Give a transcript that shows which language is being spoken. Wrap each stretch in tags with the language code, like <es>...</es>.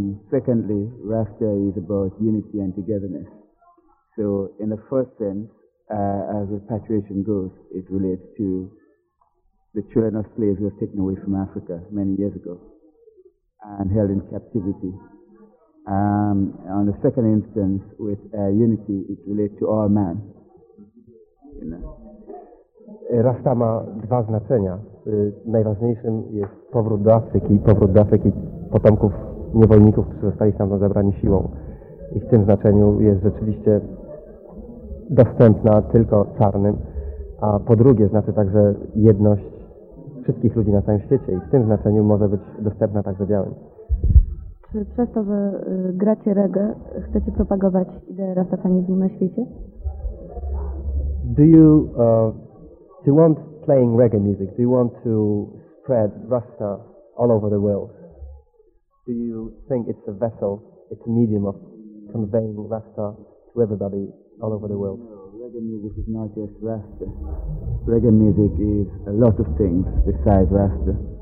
<en>Secondly, Rasta is about unity and togetherness. So in the first sense, as repatriation goes, it relates to the children of slaves who were taken away from Africa many years ago and held in captivity. On the second instance, with unity, it relates to all man. You know.</en> <pl>Rasta ma dwa znaczenia. Najważniejszym jest powrót do Afryki potomków niewolników, którzy zostali stamtąd zabrani siłą. I w tym znaczeniu jest rzeczywiście dostępna tylko czarnym. A po drugie znaczy także jedność wszystkich ludzi na całym świecie. I w tym znaczeniu może być dostępna także białym. Czy przez to, że gracie reggae, chcecie propagować ideę rastafanizmu na świecie?</pl> <en>Do you want playing reggae music? Do you want to spread Rasta all over the world? Do you think it's a vessel, it's a medium of conveying Rasta to everybody all over the world? No, reggae music is not just Rasta. Reggae music is a lot of things besides Rasta.</en>